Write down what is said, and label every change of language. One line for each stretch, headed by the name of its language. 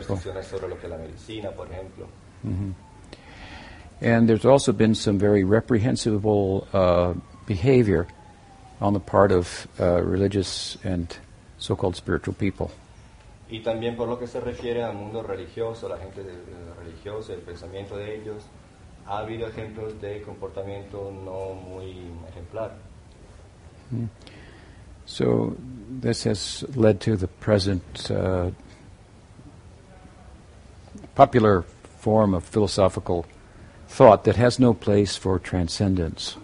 Spanish: Supersticiones sobre lo que la medicina, por ejemplo.
English: And there's also been some very reprehensible behavior on the part of religious and so-called spiritual people.
Spanish: Y también por lo que se refiere al mundo religioso, la gente religiosa, el pensamiento de ellos, ha habido ejemplos de comportamiento no muy ejemplar.
English: So this has led to the present popular form of philosophical thought that has no place for transcendence.